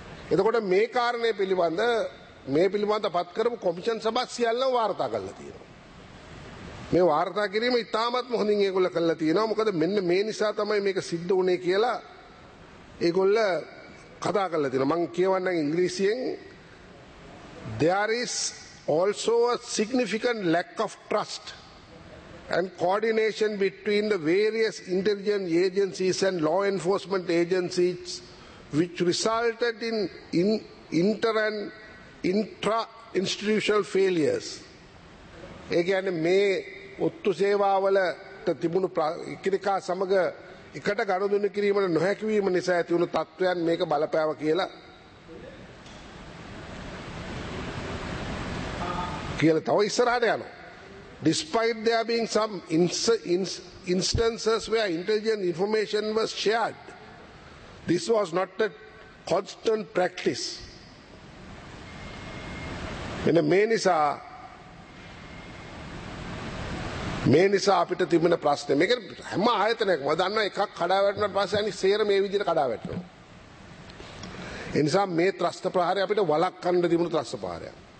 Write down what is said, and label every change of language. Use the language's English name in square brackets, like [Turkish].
[Sinhala] එතකොට මේ කාරණේ පිළිබඳ පත් කරපු කොමිෂන් සභාව සියල්ලම වාර්තා කරලා තියෙනවා. මේ වාර්තා කිරීම ඉතාමත්ම හොඳින් ඒගොල්ල කරලා තියෙනවා. මොකද මෙන්න මේ නිසා තමයි මේක සිද්ධ වුණේ කියලා ඒගොල්ල කතා කරලා තියෙනවා. මං කියවන්නම් ඉංග්‍රීසියෙන්. [English] There is also a significant lack of trust and coordination between the various intelligence agencies and law enforcement agencies, which resulted in inter and intra institutional failures. [Sinhala] ඒ කියන්නේ මේ ඔත්තු සේවාවලට තිබුණු එකිනෙකා සමග එකට ගනුදෙනු කිරීමට නොහැකි වීම නිසා ඇති වුණු තත්ත්වයන් මේක බලපෑවා කියලා තව ඉස්සරහට යනවා. [English] Despite there being some instances where intelligence information was shared, this was not a constant practice. In a manisa, [Sinhala] අපිට තිබෙන ප්‍රශ්නේ මේක හැම ආයතනයක්ම දන්න එකක් කඩාවැටුණාට පස්සේ අනිත් සේර මේ විදිහට කඩාවැටෙනවා. ඒ නිසා මේ ත්‍රස්ත ප්‍රහාරය අපිට වළක්වන්න තිබුණු ත්‍රස්ත ප්‍රහාරයක්.